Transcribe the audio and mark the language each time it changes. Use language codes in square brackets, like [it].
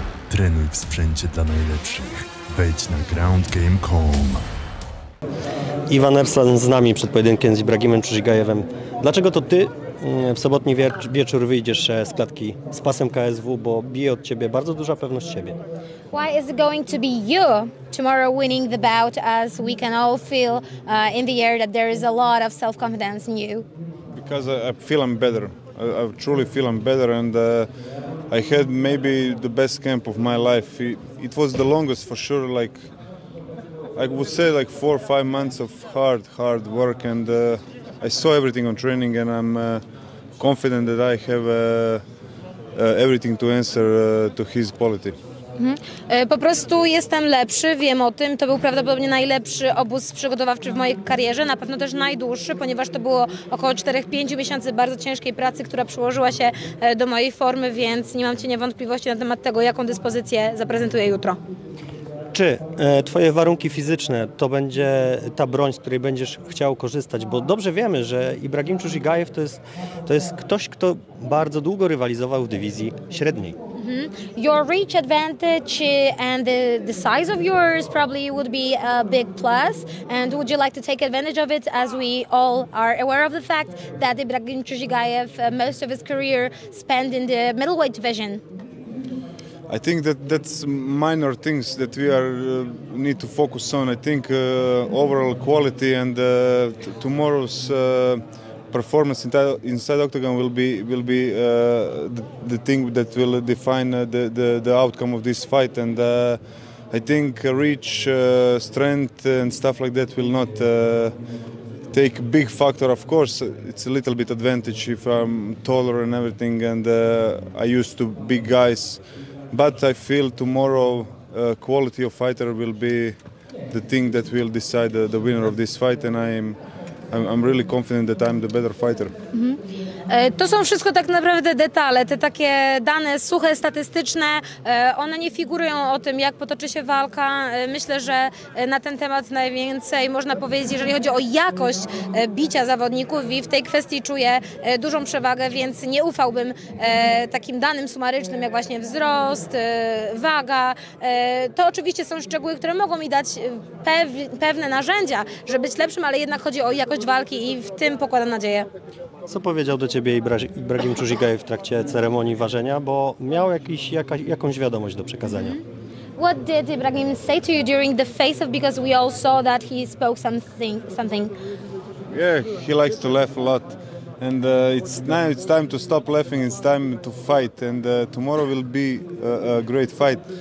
[pl] Trenuj w sprzęcie dla najlepszych. Wejdź na groundgame.com. Iwan Ersan z nami przed pojedynkiem z Ibrahimem Czyżigajewem. Dlaczego to ty w sobotni wieczór wyjdziesz z klatki z pasem KSW, bo bije od ciebie bardzo duża pewność siebie? [en] Why is it going to be you tomorrow winning the bout, as we can all feel in the air that there is a lot of self-confidence in you? Because I feel I'm better. I truly feel I'm better, and I had maybe the best camp of my life. It was the longest for sure, like I would say like 4 or 5 months of hard work, and I saw everything on training, and I'm confident that I have everything to answer to his quality. [pl] Po prostu jestem lepszy, wiem o tym. To był prawdopodobnie najlepszy obóz przygotowawczy w mojej karierze, na pewno też najdłuższy, ponieważ to było około 4-5 miesięcy bardzo ciężkiej pracy, która przyłożyła się do mojej formy, więc nie mam cienia wątpliwości na temat tego, jaką dyspozycję zaprezentuję jutro. Czy twoje warunki fizyczne to będzie ta broń, z której będziesz chciał korzystać? Bo dobrze wiemy, że Ibrahim Czyżigajew to jest ktoś, kto bardzo długo rywalizował w dywizji średniej. Mm-hmm. [en] Your reach advantage and the size of yours probably would be a big plus. And would you like to take advantage of it, as we all are aware of the fact that Ibrahim Czyżigajew most of his career spent in the middleweight division? I think that's minor things that we are need to focus on. I think overall quality and tomorrow's performance inside Octagon will be the thing that will define the outcome of this fight. And I think reach, strength and stuff like that will not take big factor. Of course, it's a little bit advantage if I'm taller and everything, and I used to big guys. But I feel tomorrow quality of fighter will be the thing that will decide the winner of this fight, and I'm really confident that I'm the better fighter. Mm-hmm. [pl] To są wszystko tak naprawdę detale, te takie dane suche, statystyczne, one nie figurują o tym, jak potoczy się walka. Myślę, że na ten temat najwięcej można powiedzieć, jeżeli chodzi o jakość bicia zawodników, i w tej kwestii czuję dużą przewagę, więc nie ufałbym takim danym sumarycznym, jak właśnie wzrost, waga. To oczywiście są szczegóły, które mogą mi dać pewne narzędzia, żeby być lepszym, ale jednak chodzi o jakość walki i w tym pokładam nadzieję. Co powiedział do ciebie Ibrahim Czyżigajew w trakcie ceremonii ważenia, bo miał jakąś wiadomość do przekazania? [en] What did Ibrahim say to you during the face of, because we all saw that he spoke something? Yeah, he likes to laugh a lot, and it's now it's time to stop laughing, it's time to fight, and tomorrow will be a great fight.